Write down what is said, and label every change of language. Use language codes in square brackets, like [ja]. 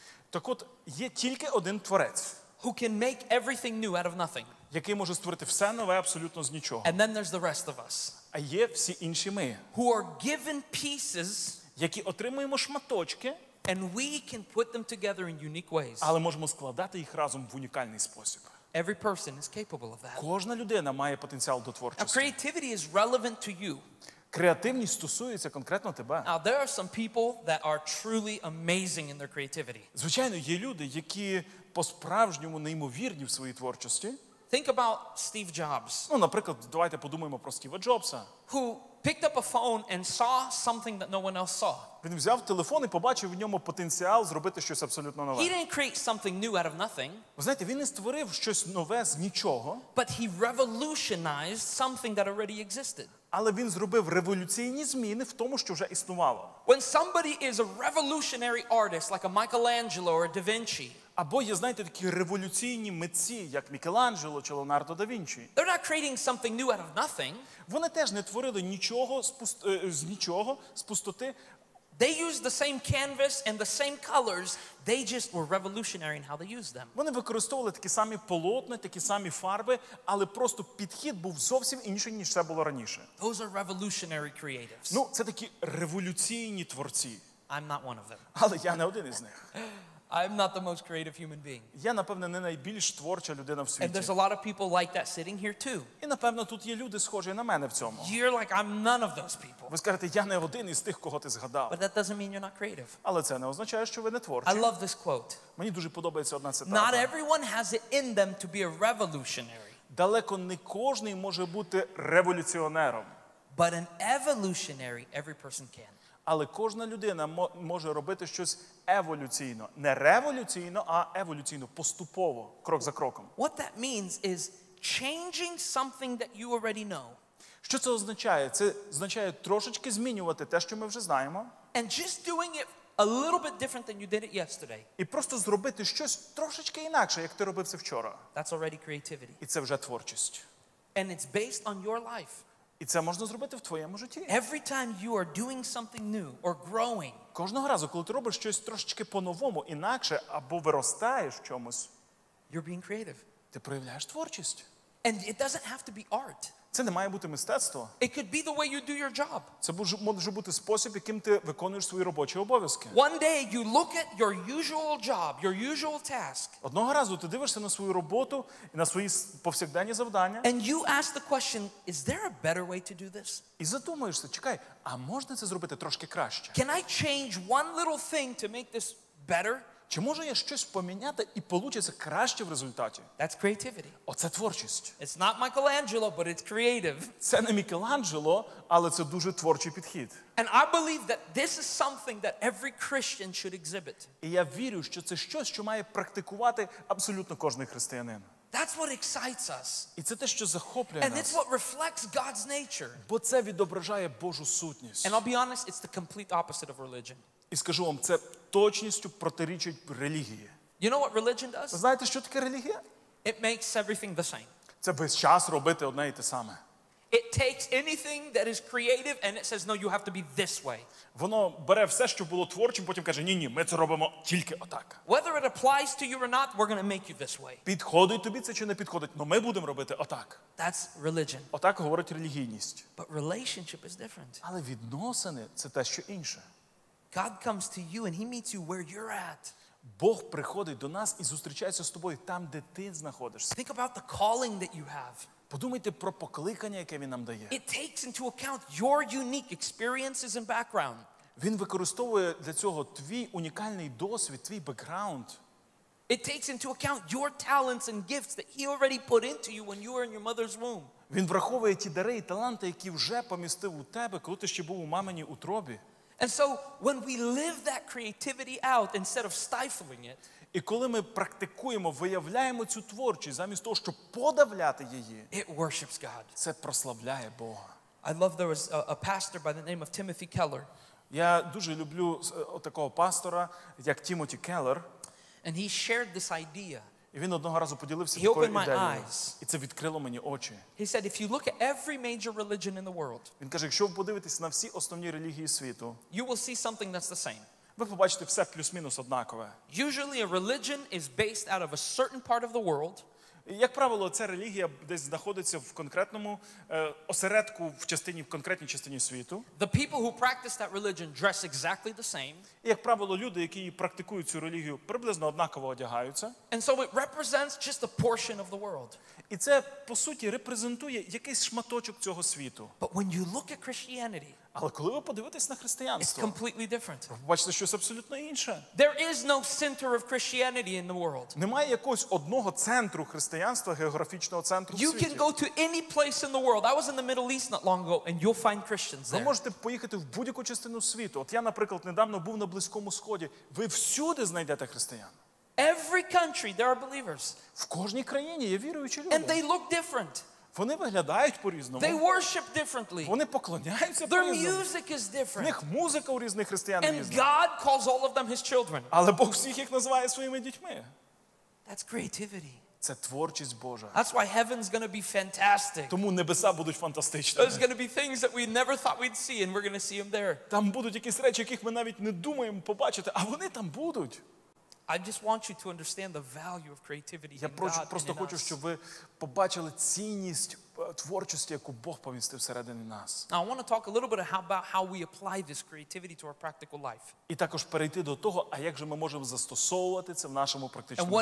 [uk] Так от, є тільки один творець. [en] Who can make everything new out of nothing. [uk] Який може створити все нове абсолютно з нічого. [en] And then there's the rest of us. [uk] А є всі інші ми. [en] Who are given pieces. [uk] Які отримуємо шматочки. [en] And we can put them together in unique ways. [uk] Але можемо складати їх разом в унікальний спосіб. [en] Every person is capable of that. [uk] Кожна людина має потенціал до творчості. [en] Now, creativity is relevant to you. [uk] Креативність стосується конкретно тебе. [en] Now, there are some people that are truly amazing in their creativity. [uk] Звичайно, є люди, які по-справжньому неймовірні в своїй творчості. [en] Think about Steve Jobs. [uk] Ну, наприклад, давайте подумаємо про Стіва Джобса. [en] Who picked up a phone and saw something that no one else saw. [uk] Він взяв телефон і побачив в ньому потенціал зробити щось абсолютно нове. [en] He didn't create something new out of nothing. [uk] Ви знаєте, він не створив щось нове з нічого. [en] But he revolutionized something that already existed. [uk] Але він зробив революційні зміни в тому, що вже існувало. [en] When somebody is a revolutionary artist like a Michelangelo or a Da Vinci. [uk] Або є, знаєте, такі революційні митці, як Мікеланджело чи Леонардо да Вінчі. [en] They're not creating something new out of nothing. [uk] Вони теж не творили нічого з нічого, з пустоти. [en] They used the same canvas and the same colors. They just were revolutionary in how they used them. [uk] Вони використовували такі самі полотна, такі самі фарби, але просто підхід був зовсім інший, ніж це було раніше. [en] Those are revolutionary creatives. [uk] Ну, це такі революційні творці. [en] I'm not one of them. [uk] Але я не один із них. [en] I'm not the most creative human being. [uk] Я, напевно, не найбільш творча людина в світі. [en] And there's a lot of people like that sitting here too. [uk] І, напевно, тут є люди схожі на мене в цьому. [en] You're like, I'm none of those people. [uk] Ви скажете, я не один із тих, кого ти згадав. [en] But that doesn't mean you're not creative. [uk] Але це не означає, що ви не творчі. [en] I love this quote. [uk] Мені дуже подобається одна цитата. [en] Not everyone has it in them to be a revolutionary. [uk] Далеко не кожний може бути революціонером. [en] But an evolutionary, every person can. [uk] Але кожна людина може робити щось еволюційно. Не революційно, а еволюційно, поступово, крок за кроком. [en] What that means is changing something that you already know. [uk] Що це означає? Це означає трошечки змінювати те, що ми вже знаємо. [en] And just doing it a little bit different than you did it yesterday. [uk] І просто зробити щось трошечки інакше, як ти робив це вчора. [en] That's already creativity. [uk] І це вже творчість. [en] And it's based on your life. [uk] І це можна зробити в твоєму житті. [en] Every time you are doing something new or growing. [uk] Кожного разу, коли ти робиш щось трошечки по-новому, інакше або виростаєш в чомусь. [en] You're being creative. [uk] Ти проявляєш творчість. [en] And it doesn't have to be art. [uk] Це не має бути мистецтво. [en] It could be the way you do your job. [uk] Це може бути спосіб, яким ти виконуєш свої робочі обов'язки. [en] One day you look at your usual job, your usual task. [uk] Одного разу ти дивишся на свою роботу і на свої повсякденні завдання. [en] And you ask the question, is there a better way to do this? [uk] І задумуєшся, чекай, а можна це зробити трошки краще? [en] Can I change one little thing to make this better? [uk] Чи можу я щось поміняти і получиться краще в результаті? [en] That's creativity. [uk] Оце творчість. [en] It's not Michelangelo, but it's creative. [uk] Це не Мікеланджело, але це дуже творчий підхід. [en] And I believe that this is something that every Christian should exhibit. [uk] І я вірю, що це щось, що має практикувати абсолютно кожен християнин. [en] That's what excites us. [uk] І це те, що захоплює [en] And [uk] нас. [en] And it's what reflects God's nature. [uk] Бо це відображає Божу сутність. [en] And I'll be honest, it's the complete opposite of religion. [uk] І скажу вам, це точністю протирічить релігії. [en] You know what religion does? [uk] Знаєте, що таке релігія? [en] It makes everything the same. [uk] Це весь час робити одне і те саме. [en] It takes anything that is creative and it says, no, you have to be this way. [uk] Воно бере все, що було творчим, потім каже, ні-ні, ми це робимо тільки отак. [en] Whether it applies to you or not, we're going to make you this way. [uk] Підходить тобі це чи не підходить, но ми будемо робити отак. [en] That's religion. [uk] Отак говорить релігійність. [en] But relationship is different. [uk] Але відносини – це те, що інше. [en] God comes to you and he meets you where you're at. [uk] Бог приходить до нас і зустрічається з тобою там, де ти знаходишся. [en] Think about the calling that you have. [uk] Подумайте про покликання, яке він нам дає. [en] It takes into account your unique experiences and background. [uk] Він використовує для цього твій унікальний досвід, твій бекграунд. [en] It takes into account your talents and gifts that he already put into you when you were in your mother's womb. [uk] Він враховує ті дари і таланти, які вже помістив у тебе, коли ти ще був у мамині утробі. [en] And so when we live that creativity out instead of stifling it. [uk] І коли ми практикуємо, виявляємо цю творчість замість того, щоб подавляти її. [en] It worships God. [uk] Це прославляє Бога. [en] I love there was a pastor by the name of Timothy Keller. [uk] Я дуже люблю такого пастора, як Тімоті Келлер. [en] And he shared this idea. [uk] І він одного разу поділився такою ідеєю. І це відкрило мені очі. [en] He said, if you look at every major religion in the world, [uk] він каже, якщо ви подивитесь на всі основні релігії світу, [en] you will see something that's the same. [uk] Ви побачите все плюс-мінус однакове. [en] Usually a religion is based out of a certain part of the world. [uk] Як правило, ця релігія десь знаходиться в конкретному осередку, в частині, в конкретній частині світу. [en] The people who practice that religion dress exactly the same. [uk] І, як правило, люди, які практикують цю релігію, приблизно однаково одягаються. [en] And so it represents just a portion of the world. [uk] І це, по суті, репрезентує якийсь шматочок цього світу. [en] But when you look at Christianity, [uk] але коли ви подивитесь на християнство, [en] it's completely different. [uk] Ви бачите щось абсолютно інше. [en] There is no center of Christianity in the world. [uk] Немає якогось одного центру християнства, географічного центру в світі. [en] You can go to any place in the world. I was in the Middle East not long ago, and you'll find Christians there. [uk] Ви можете поїхати в будь-яку частину світу. От я, наприклад, недавно був на Близькому Сході. Ви всюди знайдете християн. [en] Every country there are believers. [uk] В кожній країні є віруючі люди. [en] And they look different. [uk] Вони виглядають по-різному. [en] They worship differently. [uk] Вони поклоняються [en] Their [uk] по-різному. [en] Their music is different. [uk] В них музика у різних християн різна. [en] And God calls all of them his children. [uk] Але Бог всіх їх називає своїми дітьми. [en] That's creativity. [uk] Це творчість Божа. [en] That's why heaven's going to be fantastic. [uk] Тому небеса будуть фантастичні. [en] There's going to be things that we never thought we'd see and we're going to see them there. [uk] Там будуть якісь речі, яких ми навіть не думаємо побачити, а вони там будуть. [en] I just want you to understand the value of creativity in God. [uk] Я просто хочу, щоб ви побачили цінність творчості, яку Бог помістив всередині нас. [en] Now, I want to talk a little bit about how we apply this creativity to our practical life. [uk] І також перейти до того, а як же ми можемо застосовувати це в нашому практичному